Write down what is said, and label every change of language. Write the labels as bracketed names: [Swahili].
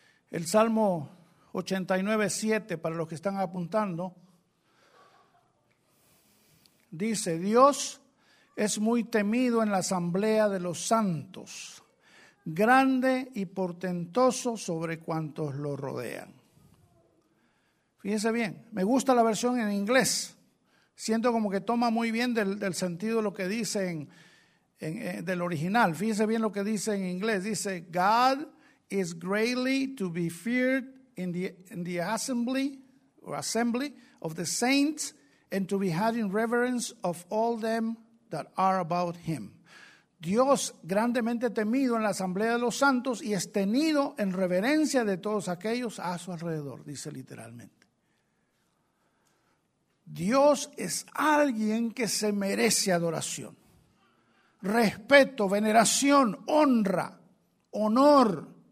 [Spanish] El Salmo 89:7, para los que están apuntando, dice: Dios es muy temido en la asamblea de los santos, grande y portentoso sobre cuantos lo rodean. Fíjense bien, me gusta la versión en inglés. Siento como que toma muy bien del sentido de lo que dice del original. Fíjense bien lo que dice en inglés. [English] Dice: God is greatly to be feared in the assembly or assembly of the saints, and to be had in reverence of all them that are about him. [Spanish] Dios, grandemente temido en la asamblea de los santos, y es tenido en reverencia de todos aquellos a su alrededor, dice literalmente. Dios es alguien que se merece adoración, respeto, veneración, honra, honor.